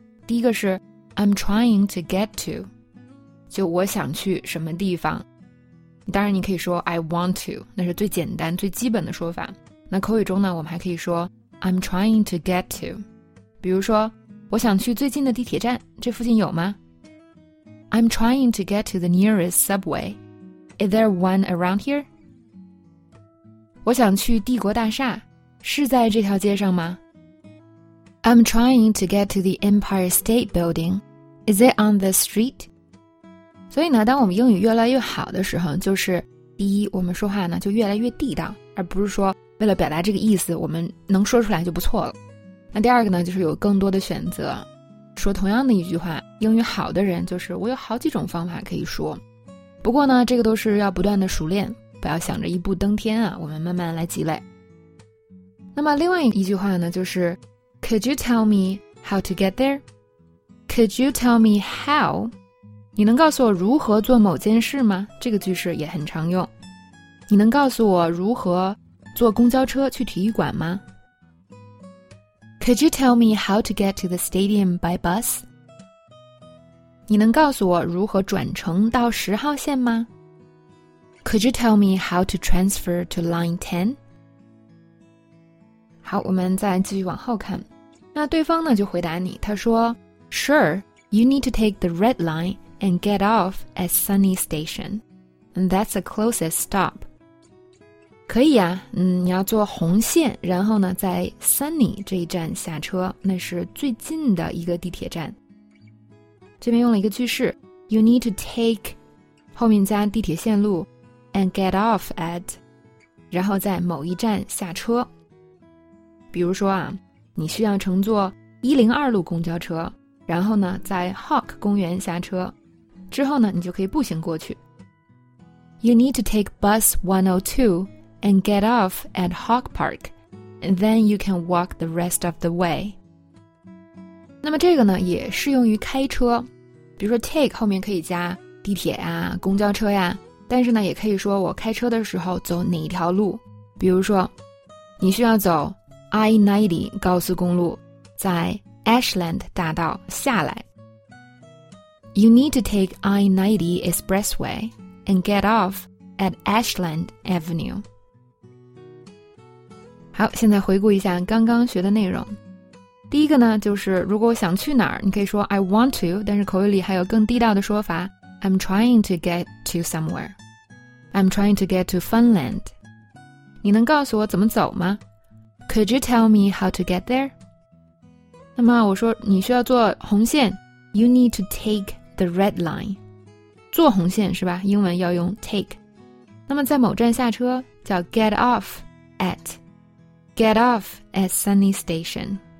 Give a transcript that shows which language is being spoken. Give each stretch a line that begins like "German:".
Chinese: 第一个是
English: I'm trying to get to，
Chinese: 就我想去什么地方。当然你可以说
English: I want to，
Chinese: 那是最简单最基本的说法。那口语中呢，我们还可以说
English: I'm trying to get to，
Chinese: 比如说我想去最近的地铁站，这附近有吗？
English: I'm trying to get to the nearest subway. Is there one around here?
Chinese: 我想去帝国大厦，是在这条街上吗？
English: I'm trying to get to the Empire State Building. Is it on the street?
Chinese: 所以呢，当我们英语越来越好的时候，就是第一，我们说话呢就越来越地道，而不是说为了表达这个意思，我们能说出来就不错了。那第二个呢，就是有更多的选择。说同样的一句话，英语好的人就是我有好几种方法可以说。不过呢，这个都是要不断的熟练，不要想着一步登天啊，我们慢慢来积累。那么另外一句话呢，就是
English: Could you tell me how to get there? Could you tell me how?
Chinese: 你能告诉我如何做某件事吗？这个句式也很常用。你能告诉我如何坐公交车去体育馆吗？
English: Could you tell me how to get to the stadium by bus?
Chinese: 你能告诉我如何转乘到十号线吗？
English: Could you tell me how to transfer to line 10?
Chinese: 好，我们再继续往后看。那对方呢就回答你，他说
English: Sure, you need to take the red line and get off at Sunny Station. And that's the closest stop.
Chinese: 可以啊，你要坐红线，然后呢在 Sunny 这一站下车，那是最近的一个地铁站。这边用了一个句式
English: You need to take
Chinese: 后面加地铁线路
English: and get off at
Chinese: 然后在某一站下车。比如说啊，你需要乘坐102路公交车，然后呢在 Hawk 公园下车，之后呢你就可以步行过去。
English: You need to take bus 102and get off at Hawk Park, and then you can walk the rest of the way.
Chinese: 那么这个呢也适用于开车，比如说 take 后面可以加地铁啊、公交车呀，但是呢也可以说我开车的时候走哪一条路，比如说你需要走 I-90 高速公路，在 Ashland 大道下来。
English: You need to take I-90 expressway and get off at Ashland Avenue.
Chinese: 好，现在回顾一下刚刚学的内容。第一个呢，就是如果我想去哪儿，你可以说
English: I want to，
Chinese: 但是口语里还有更地道的说法
English: I'm trying to get to somewhere， I'm trying to get to Funland。
Chinese: 你能告诉我怎么走吗？
English: Could you tell me how to get there？
Chinese: 那么我说你需要坐红线，
English: You need to take the red line，
Chinese: 坐红线是吧，英文要用 take。那么在某站下车叫
English: get off at。Get off at Sunny Station.